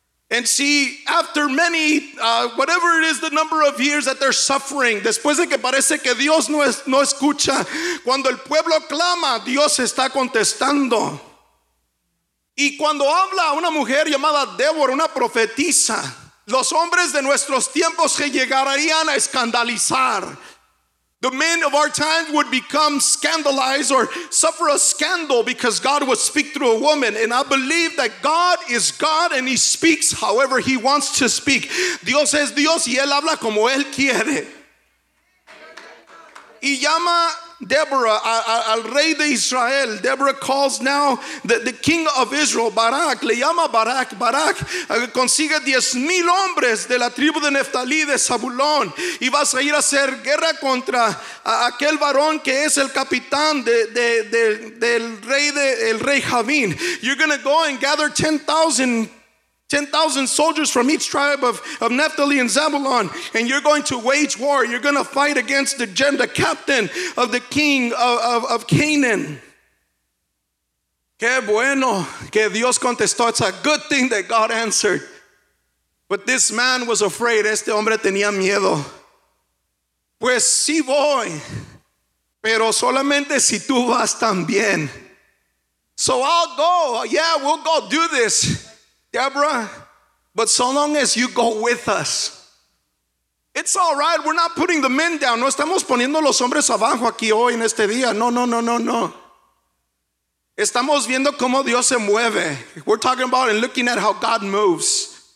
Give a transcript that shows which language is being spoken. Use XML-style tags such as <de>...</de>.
<en>And she, after many, whatever it is, the number of years that they're suffering,</en> <es>después de que parece que Dios no escucha, cuando el pueblo clama, Dios está contestando. Y cuando habla una mujer llamada Débora, una profetisa, los hombres de nuestros tiempos se llegarían a escandalizar.</es> <en>The men of our time would become scandalized or suffer a scandal because God would speak through a woman. And I believe that God is God and he speaks however he wants to speak.</en> <es>Dios es Dios y él habla como él quiere. Y llama Deborah al rey de Israel.</es> <en>Deborah calls now the king of Israel, Barak.</en> <es>Le llama Barak. Barak consigue 10,000 hombres de la tribu de Neftalí, de Zabulón, y vas a ir a hacer guerra contra aquel varón que es el capitán del rey Jabín.</es> <en>You're gonna go and gather 10,000 soldiers from each tribe of Naphtali and Zebulun, and you're going to wage war. You're going to fight against the captain of the king of Canaan.</en> <es>Qué bueno que Dios contestó.</es> <en>It's a good thing that God answered. But this man was afraid.</en> <es>Este hombre tenía miedo. Pues sí voy, pero solamente si tú vas también.</es> <en>So I'll go. Yeah, we'll go do this, Deborah, but so long as you go with us. It's all right, we're not putting the men down.</en> <es>No estamos poniendo los hombres abajo aquí hoy en este día. No. Estamos viendo cómo Dios se mueve.</es> <en>We're talking about and looking at how God moves.</en>